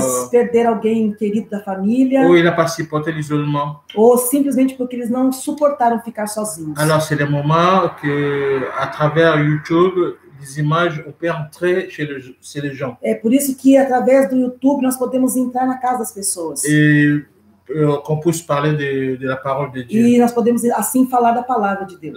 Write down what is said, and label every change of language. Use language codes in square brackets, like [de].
[pt] perder alguém querido da família. [fr] Ou il a pas supporté l'isolement. [pt] Ou simplesmente porque eles não suportaram ficar sozinhos. [fr] Alors c'est le moment que à travers YouTube les images on peut entrer chez les gens. [pt] Por isso que através do YouTube nós podemos entrar na casa das pessoas. [fr] Qu'on puisse parler de la parole de Dieu. [pt] E nós podemos assim falar da palavra de Deus.